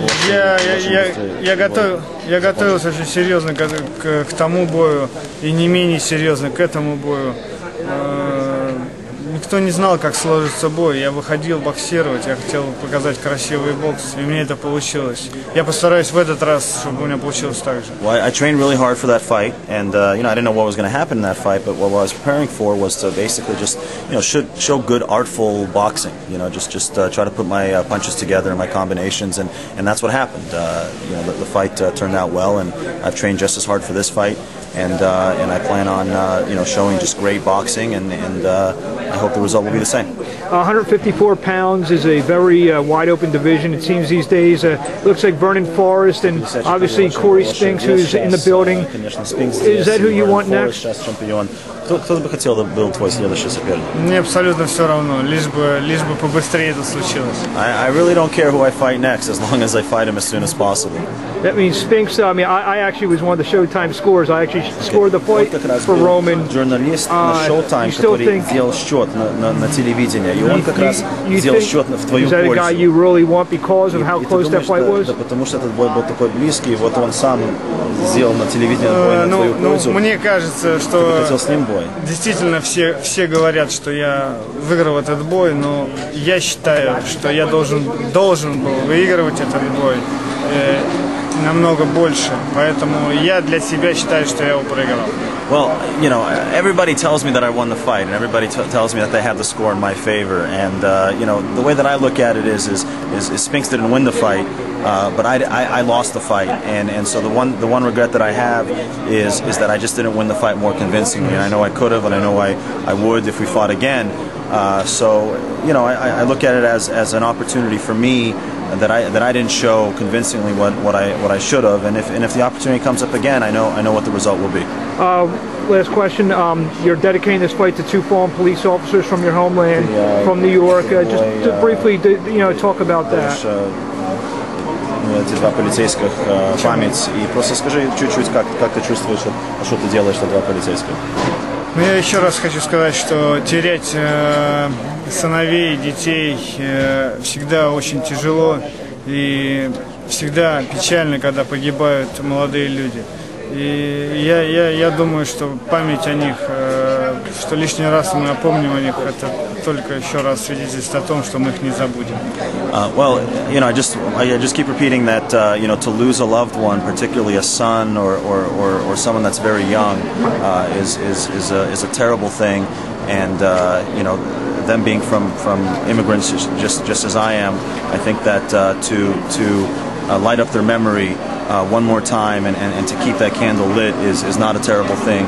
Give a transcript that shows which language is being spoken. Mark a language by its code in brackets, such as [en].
[ru] Я готовился очень серьезно к тому бою и не менее серьезно к этому бою. Никто не знал, как сложится бой. Я выходил боксировать, я хотел показать красивый бокс, и мне это получилось. Я постараюсь в этот раз, чтобы у меня получилось так же. [en] Well, I trained really hard for that fight, and you know, I didn't know what was going to happen in that fight, but what I was preparing for was to basically just, you know, show good artful boxing. You know, just try to put my punches together and my combinations, and that's what happened. You know, the fight turned out well, and I've trained just as hard for this fight. And I plan on you know, showing just great boxing, and I hope the result will be the same. 154 pounds is a very wide open division, it seems these days. Looks like Vernon Forrest and obviously Corey Spinks, who's in the building. Is that who you want next? [ru] Кто бы хотел был твой следующий соперник? Мне абсолютно все равно, лишь бы побыстрее это случилось. [en] I really don't care who I fight next, as long as I fight him as soon as possible. That means Spinks. I mean, I actually was one of the Showtime scorers. I actually scored the fight for Roman. [ru] Journalist на Showtime, сделал счет на телевидении. И он как раз сделал счет в твою пользу. [en] Is that a guy you really want because of how close that fight was? [ru] Да, потому что этот бой был такой близкий. Вот он сам сделал на телевидении бой на твою пользу. Мне кажется, что хотел с ним бой. Действительно, все говорят, что я выиграл этот бой, но я считаю, что я должен был выигрывать этот бой. Намного больше, поэтому я для себя считаю, что я его проиграл. [en] Well, you know, everybody tells me that I won the fight, and everybody tells me that they have the score in my favor. And you know, the way that I look at it is Spinks didn't win the fight, but I lost the fight. And so the one regret that I have is that I just didn't win the fight more convincingly. And I know I could have, and I know I would if we fought again. So you know, I look at it as an opportunity for me. That I didn't show convincingly what I should have, and if the opportunity comes up again, I know what the result will be. Last question. You're dedicating this fight to two fallen police officers from your homeland, from New York. Just briefly, you know, talk about that. [ru] Эти два полицейских память и просто скажи чуть-чуть как ты чувствуешь, что ты делаешь, два полицейских. Ну, я еще раз хочу сказать, что терять сыновей, детей всегда очень тяжело и всегда печально, когда погибают молодые люди. И я думаю, что память о них, что лишний раз мы напомним о них, это только еще раз свидетельство о том, что мы их не забудем. [en] Well, you know, I just keep repeating that, you know, to lose a loved one, particularly a son or someone that's very young, is a terrible thing, and you know, them being from immigrants, just as I am, I think that to light up their memory one more time and to keep that candle lit is not a terrible thing.